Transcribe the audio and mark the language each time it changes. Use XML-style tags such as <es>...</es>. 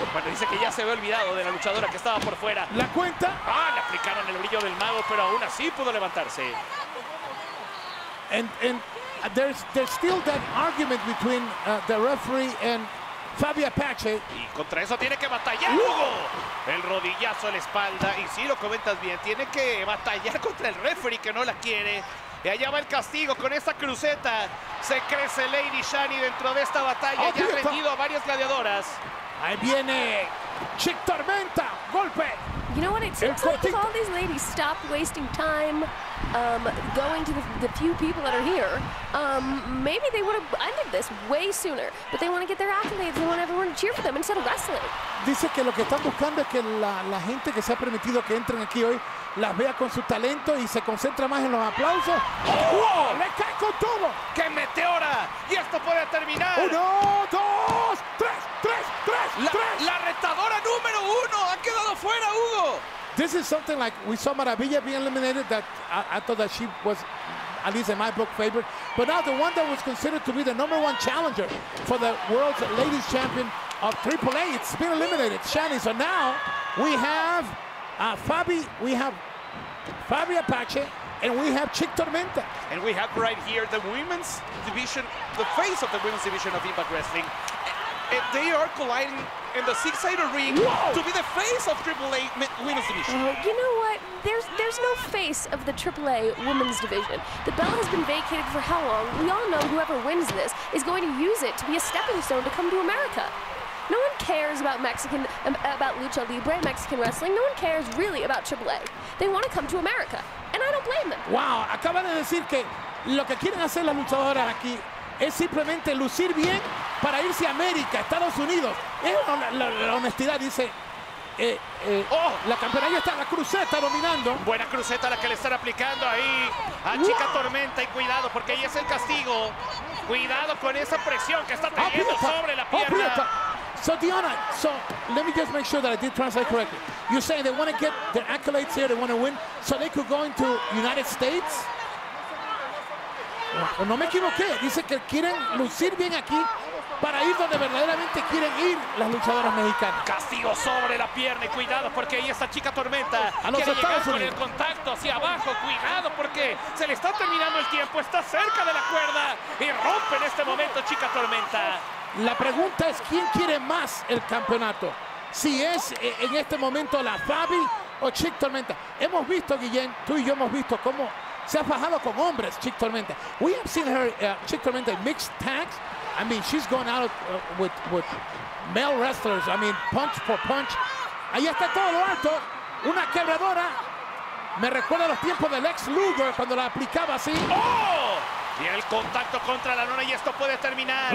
<es>Bueno, dice que ya se había olvidado de la luchadora que estaba por fuera. La cuenta. Ah, le aplicaron el brillo del mago, pero aún así pudo levantarse.</es> <en>And there's still that argument between the referee and Fabio Apache.</en> <es>Y contra eso tiene que batallar Hugo. El rodillazo a la espalda. Y sí, lo comentas bien. Tiene que batallar contra el referee que no la quiere. Y allá va el castigo con esta cruceta. Se crece Lady Shani dentro de esta batalla. Ya ha rendido a varias gladiadoras. Ahí viene Chick Tormenta. Golpe.</es> <en>You know what? It seems like if all these ladies stopped wasting time going to the few people that are here, maybe they would have ended this way sooner. But they want to get their accolades. They want everyone to cheer for them instead of wrestling.</en> <es>Dice que lo que están buscando es que la gente que se ha permitido que entren aquí hoy las vea con su talento y se concentra más en los aplausos. ¡Oh! ¡Wow! ¡Le cae con todo! ¡Qué meteora! ¡Y esto puede terminar! ¡Uno, dos, tres! La retadora número uno ha quedado fuera, Hugo.</es> <en>This is something like we saw Maravilla being eliminated. That I thought that she was at least in my book favorite. But now the one that was considered to be the number one challenger for the world's ladies champion of AAA, it's been eliminated, Shani. So now we have Fabi Apache, and we have Chick Tormenta. And we have right here the women's division, the face of the women's division of Impact Wrestling. They are colliding in the six-sided ring. Whoa! To be the face of AAA Women's Division. You know what? There's no face of the AAA Women's Division. The belt has been vacated for how long? We all know whoever wins this is going to use it to be a stepping stone to come to America. No one cares about Mexican, about Lucha Libre, Mexican wrestling. No one cares really about AAA. They want to come to America, and I don't blame them.</en> <es>Wow, acaba de decir que lo que quieren hacer las luchadoras aquí es simplemente lucir bien para irse a América, Estados Unidos. Es la honestidad, dice. ¡Oh! La campeona, ahí está, la cruceta dominando. Buena cruceta la que le están aplicando ahí a Chica Tormenta. Y cuidado, porque ahí es el castigo. Cuidado con esa presión que está teniendo sobre la pierna.</es> <en>So, Diana, so let me just make sure that I did translate correctly. You say they want to get their accolades here, they want to win, so they could go into United States.</en> <es>No me equivoqué, dice que quieren lucir bien aquí para ir donde verdaderamente quieren ir las luchadoras mexicanas. Castigo sobre la pierna y cuidado porque ahí está Chica Tormenta. A los quiere Estados llegar Unidos. Con el contacto hacia abajo, cuidado porque se le está terminando el tiempo, está cerca de la cuerda y rompe en este momento Chica Tormenta. La pregunta es quién quiere más el campeonato, si es en este momento la Fabi o Chica Tormenta. Hemos visto, Guillén, tú y yo hemos visto cómo se ha fajado con hombres, Chick Tormenta.</es> <en>We have seen her, Chick Tormenta, mixed tags. I mean, she's going out with male wrestlers. I mean, punch for punch.</en> <es>Ahí está todo lo alto. Una quebradora. Me recuerda los tiempos del ex Luger cuando la aplicaba así. ¡Oh! Y el contacto contra la nona y esto puede terminar.</es>